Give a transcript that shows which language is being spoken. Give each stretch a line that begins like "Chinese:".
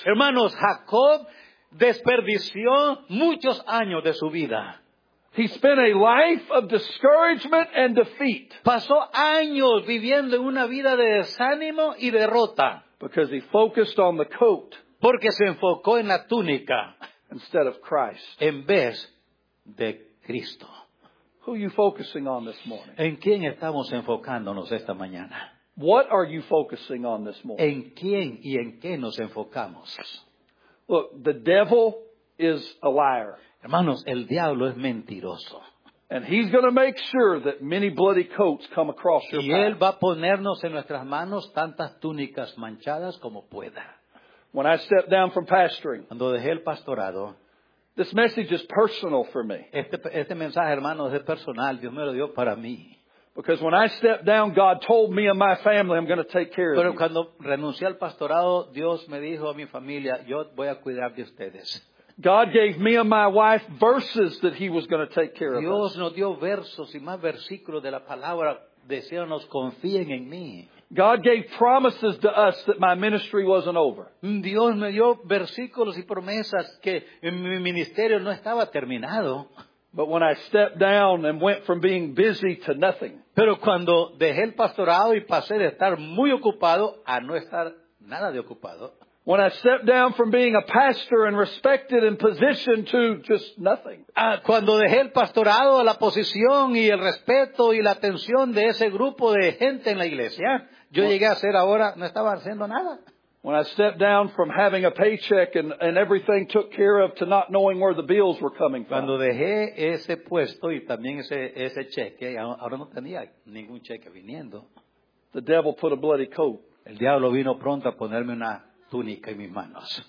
Spanish: Hermanos, Jacob desperdició muchos años de su vida.
English: He spent a life of discouragement and defeat.
Spanish: Pasó años viviendo una vida de desánimo y derrota.
English: Because he focused on the coat.
Spanish: Porque se enfocó en la túnica.
English: Instead of Christ.
Spanish: En vez de Cristo.
English: Who are you focusing on this morning?
Spanish: ¿En quién estamos enfocándonos esta mañana?
English: What are you focusing on this morning?
Spanish: ¿En quién y en qué nos enfocamos?
English: Look, the devil is a liar.
Spanish: Hermanos, el diablo es mentiroso.
English: And he's going to make sure that many bloody coats come across your path.
Spanish: Y él va a ponernos en nuestras manos tantas túnicas manchadas como pueda.
English: When I stepped down from pastoring,
Spanish: cuando dejé el pastorado,
English: this message is personal for me.
Spanish: Este mensaje, hermanos, es personal. Dios me lo dio para mí.
English: Because when I stepped down, God told me and my family, I'm going to take care of you.
Spanish: Pero cuando renuncié al pastorado, Dios me dijo a mi familia, yo voy a cuidar de ustedes.
English: God gave me and my wife verses that he was going to take care of us.
Spanish: Dios nos dio versos y más versículos de la palabra, diciéndonos, confíen en mí.
English: God gave promises to us that my ministry wasn't over.
Spanish: Dios me dio versículos y promesas que mi ministerio no estaba terminado.
English: But when I stepped down and went from being busy to nothing.
Spanish: Pero cuando dejé el pastorado y pasé de estar muy ocupado a no estar nada de ocupado.
English: When I stepped down from being a pastor and respected in position to just nothing.
Spanish: Cuando dejé el pastorado, la posición y el respeto y la atención de ese grupo de gente en la iglesia, yo llegué a ser ahora, no estaba haciendo nada.
English: When I stepped down from having a paycheck and everything took care of to not knowing where the bills were coming from.
Spanish: Cuando dejé ese puesto y también ese cheque, ahora no tenía ningún cheque viniendo.
English: The devil put a bloody coat.
Spanish: El diablo vino pronto a ponerme una túnica en mis manos.